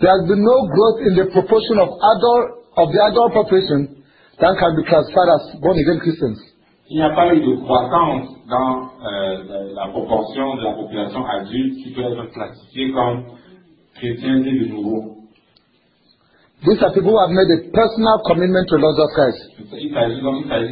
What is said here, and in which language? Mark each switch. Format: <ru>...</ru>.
<en>there has been no growth in the proportion of the adult population that can be classified as born again Christians.</en> <fr>Il n'y a pas eu de croissance dans la proportion de la population adulte qui peut être classifiée comme.</fr> <en>These are people who have made a personal commitment to Lord Jesus Christ.</en>